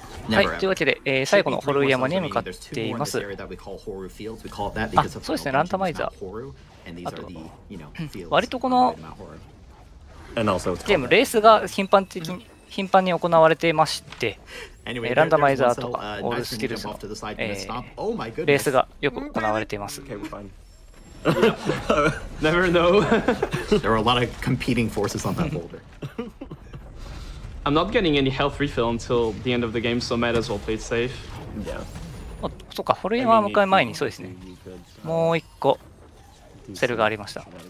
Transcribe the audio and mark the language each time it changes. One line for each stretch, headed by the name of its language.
Japanese: はい、というわけで、最後のホルイヤマに向かっています。あ、そうですね、ランタマイザー。あと割とこのゲームレースが頻繁に行われていまして、ランダマイザーとかオールスキルスの、レースがよく行われています。
English: Never know. There are a lot of competing forces on that boulder. I'm not getting any health refill until the end of the game, so might as well play it safe. Yeah.
Japanese: そうか、フォルエマー迎え前に、そうですね。もう一個セルがありました。